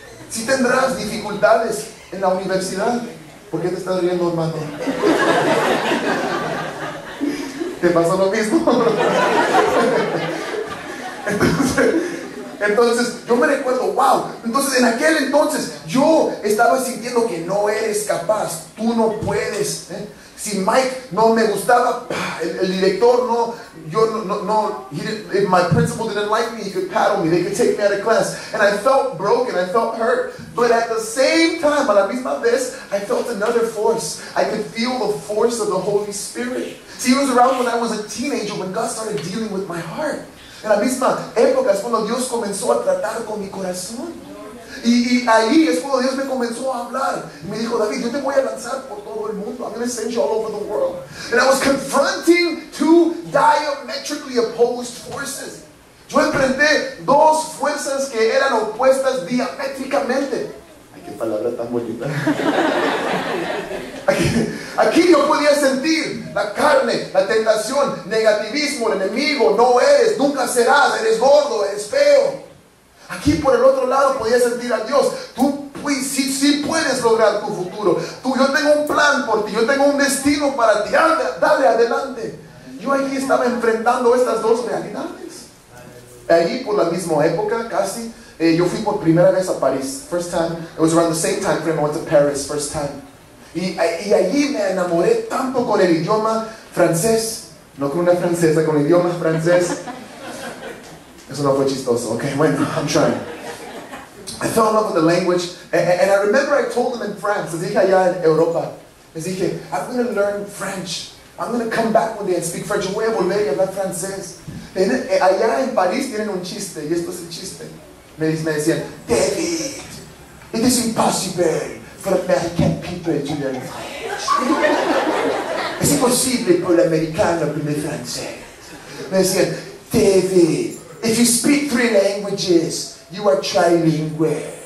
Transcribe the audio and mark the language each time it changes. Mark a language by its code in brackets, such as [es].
[es] Si tendrás dificultades en la universidad, ¿por qué te estás riendo, hermano? ¿Te pasó lo mismo? Entonces, yo me recuerdo, wow. Entonces, en aquel entonces, yo estaba sintiendo que no eres capaz. Tú no puedes. Si Mike no me gustaba, el director no, yo no, [en] if my principal didn't like me, he could paddle me, they could take me out of class. And I felt broken, I felt hurt. But at the same time, [es] a la misma vez, [en] I felt another force. I could feel the force of the Holy Spirit. See, he was around when I was a teenager, when God started dealing with my heart. [es] En la misma época es cuando Dios comenzó a tratar con mi corazón. Y ahí es cuando Dios me comenzó a hablar. Y me dijo, David, yo te voy a lanzar por todo el mundo. [en] I'm going to send you all over the world. And I was confronting two diametrically opposed forces. [es] Yo enfrenté dos fuerzas que eran opuestas diamétricamente. Ay, qué palabra tan bonita. Aquí yo podía sentir la carne, la tentación, negativismo, el enemigo. No eres, nunca serás, eres gordo, eres feo. Aquí por el otro lado podía sentir a Dios. Tú sí puedes lograr tu futuro. Tú, yo tengo un plan por ti. Yo tengo un destino para ti. Dale adelante. Yo ahí estaba enfrentando estas dos realidades. Ahí por la misma época casi. Yo fui por primera vez a París. [en] First time. It was around the same time frame I went to Paris. First time. [es] Y allí me enamoré tanto con el idioma francés. No con una francesa, con el idioma francés. Eso no fue chistoso. [en] Okay, [es] bueno, [en] I'm trying. I fell in love with the language. And I remember I told them in France, [es] les dije allá en Europa, les dije, [en] I'm going to learn French. I'm going to come back one day and speak French. [es] Yo voy a volver y hablar francés. Allá en París tienen un chiste, y esto es el chiste. Me decían, [en] David, it is impossible for American people to learn French. [es] Es imposible para el americano aprender francés. Me decían, David, [en] if you speak three languages, you are trilingual.